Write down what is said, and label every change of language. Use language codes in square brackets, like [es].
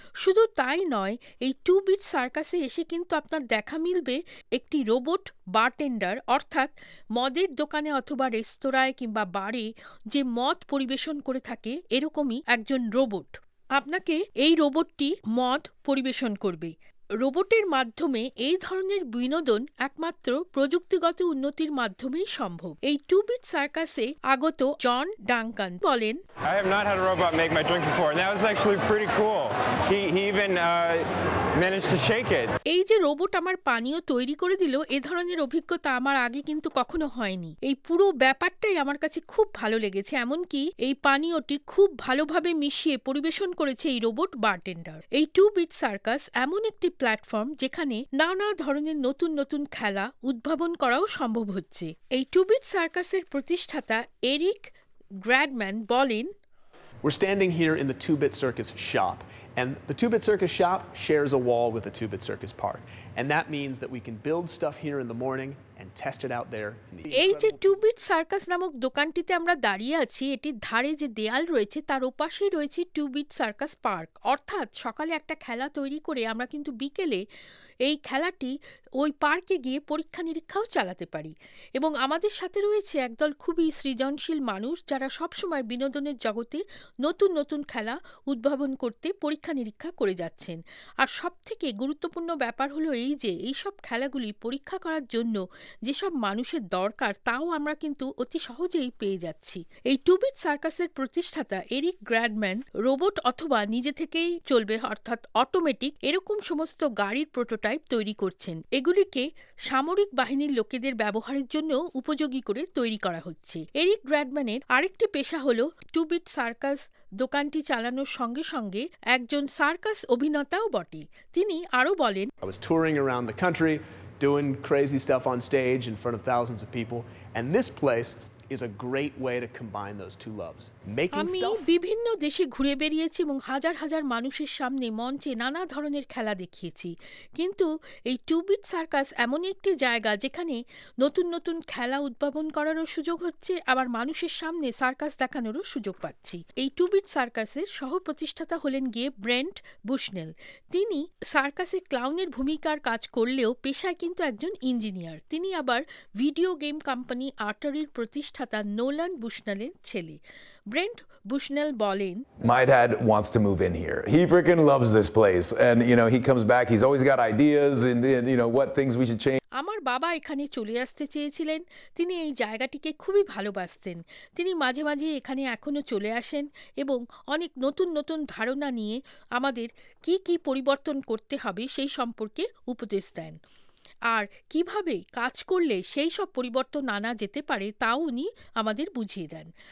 [bn] শুধু তাই নয়, এই টু বিট সার্কাসে এসে কিন্তু আপনার দেখা মিলবে একটি রোবট বারটেন্ডার, অর্থাৎ মদের দোকানে অথবা রেস্তোরাঁয় কিংবা বারে যে মদ পরিবেশন করে থাকে এরকমই একজন রোবট। আপনাকে এই রোবটটি মদ পরিবেশন করবে। রোবটের মাধ্যমে এই ধরনের বিনোদন একমাত্র প্রযুক্তিগত উন্নতির মাধ্যমেই সম্ভব। এই টু বিট সার্কাসে আগত জন ডাঙ্কান বলেন, [en] I have not had a robot make my drink before. That was actually pretty cool. He even managed to shake it. [bn] এই যে রোবট আমার পানীয় তৈরি করে দিল, এ ধরনের অভিজ্ঞতা আমার আগে কিন্তু কখনো হয়নি। এই পুরো ব্যাপারটাই আমার কাছে খুব ভালো লেগেছে, এমনকি এই পানীয়টি খুব ভালোভাবে মিশিয়ে পরিবেশন করেছে এই রোবট বারটেন্ডার। এই টু বিট সার্কাস এমন একটি প্ল্যাটফর্ম যেখানে নানা ধরনের নতুন নতুন খেলা উদ্ভাবন করাও সম্ভব হচ্ছে। এই টু বিট সার্কাসের প্রতিষ্ঠাতা এরিক গ্র্যাডম্যান বলেন, [en] We're standing here in the Two Bit Circus shop. And the Two Bit Circus shop shares a wall with the Two Bit Circus park. And that means that we can build stuff here in the morning and test it out there in the evening. [bn] এই যে two bit circus নামক দোকানটিতে আমরা দাঁড়িয়ে আছি, এটির ধারে যে দেয়াল রয়েছে তার ওপাশে রয়েছে টু বিট সার্কাস পার্ক। অর্থাৎ সকালে একটা খেলা তৈরি করে আমরা কিন্তু বিকেলে এই খেলাটি ওই পার্কে গিয়ে পরীক্ষা নিরীক্ষাও চালাতে পারি। এবং আমাদের সাথে রয়েছে একদল খুবই সৃজনশীল মানুষ যারা সবসময় বিনোদনের জগতে নতুন নতুন খেলা উদ্ভাবন করতে পরীক্ষা নিরীক্ষা করে যাচ্ছেন। আর সবথেকে গুরুত্বপূর্ণ ব্যাপার হলো এই যে এইসব খেলাগুলি পরীক্ষা করার জন্য যেসব মানুষের দরকার তাও আমরা কিন্তু অতি সহজেই পেয়ে যাচ্ছি। এই টু বিট সার্কাসের প্রতিষ্ঠাতা এরিক গ্র্যাডম্যান রোবট অথবা নিজে থেকেই চলবে অর্থাৎ অটোমেটিক এরকম সমস্ত গাড়ির প্রোটোটাইপ তৈরি করছেন। এগুলিকে সামরিক বাহিনীর লোকেদের ব্যবহারের জন্য উপযোগী করে তৈরি করা হচ্ছে। এরিক গ্র্যাডম্যানের আরেকটি পেশা হল টু বিট সার্কাস দোকানটি চালানোর সঙ্গে সঙ্গে একজন সার্কাস অভিনেতাও বটে। তিনি আরো বলেন, [en] I was touring around the country doing crazy stuff on stage in front of thousands of people, and this place is a great way to combine those two loves, [bn] আমি বিভিন্ন দেশে ঘুরে বেরিয়েছি এবং হাজার হাজার মানুষের সামনে মঞ্চে নানা ধরনের খেলা দেখিয়েছি, কিন্তু এই টুবিট সার্কাস এমন একটি জায়গা যেখানে নতুন নতুন খেলা উদ্ভাবন করারও সুযোগ হচ্ছে, আবার মানুষের সামনে সার্কাস দেখানোরও সুযোগ পাচ্ছি। এই টুবিট সার্কাসের সহ প্রতিষ্ঠাতা হলেন গিয়ে ব্রেন্ট বুশনেল। তিনি সার্কাসে ক্লাউনের ভূমিকার কাজ করলেও পেশায় কিন্তু একজন ইঞ্জিনিয়ার। তিনি আবার ভিডিও গেম কোম্পানি আটারির প্রতিষ্ঠাতা নোলান বুশনেলের ছেলে। [en] Brent Bushnell Bolin. My dad wants to move in here. He freaking loves this place. And, you know, he comes back, he's always got ideas and you know, what things we should change. [bn] আমার বাবা এখানে চলে আসতে চেয়েছিলেন, তিনি এই জায়গাটিকে খুবই ভালোবাসতেন। তিনি মাঝে মাঝে এখানে এখনো চলে আসেন এবং অনেক নতুন নতুন ধারণা নিয়ে আমাদের কি কি পরিবর্তন করতে হবে সেই সম্পর্কে উপদেশ দেন, আর কিভাবে কাজ করলে সেই সব পরিবর্তন আনা যেতে পারে তাও উনি আমাদের বুঝিয়ে দেন।